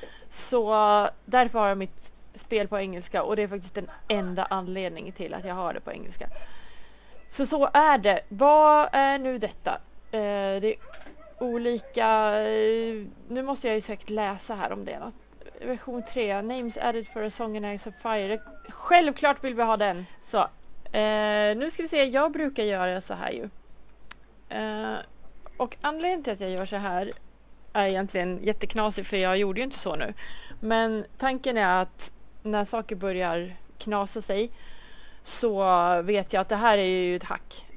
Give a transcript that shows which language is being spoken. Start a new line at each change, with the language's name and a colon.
Swedish: Så därför har jag mitt spel på engelska, och det är faktiskt den enda anledningen till att jag har det på engelska. Så är det. Vad är nu detta? Det är olika. Nu måste jag ju säkert läsa här om det. Version 3.
English: Names added for a song in Ice of Fire.
Swedish: Självklart vill vi ha den. Så. Nu ska vi se. Jag brukar göra så här ju. Och anledningen till att jag gör så här är egentligen jätteknasig, för jag gjorde ju inte så nu. Men tanken är att när saker börjar knasa sig, så vet jag att det här är ju ett hack.